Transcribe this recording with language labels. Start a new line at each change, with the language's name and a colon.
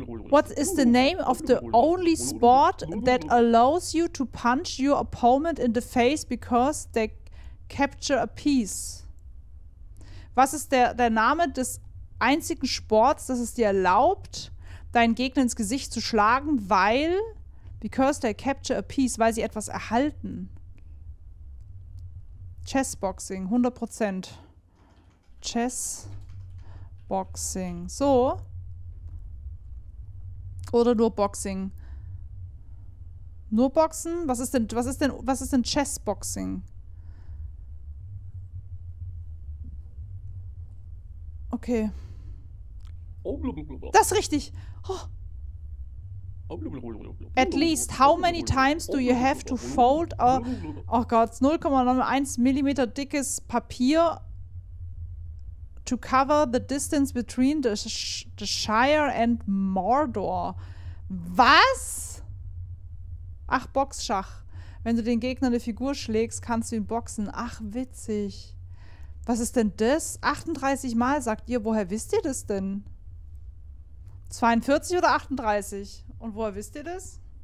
English: What is the name of the only sport that allows you to punch your opponent in the face because they capture a piece?
German: Was ist der Name des einzigen Sports, das es dir erlaubt, deinen Gegner ins Gesicht zu schlagen, weil...
English: Because they capture a piece,
German: weil sie etwas erhalten.
English: Chessboxing, 100%. Chessboxing. So.
German: Oder nur Boxing. Nur Boxen? Was ist denn Chessboxing? Okay. Das ist richtig. Oh.
English: At least, how many times do you have to fold a,
German: oh Gott, 0,91 Millimeter dickes Papier
English: to cover the distance between the Shire and Mordor?
German: Was? Ach, Boxschach. Wenn du den Gegner eine Figur schlägst, kannst du ihn boxen. Ach, witzig. Was ist denn das? 38 Mal, sagt ihr. Woher wisst ihr das denn? 42 oder 38? Und woher wisst ihr das?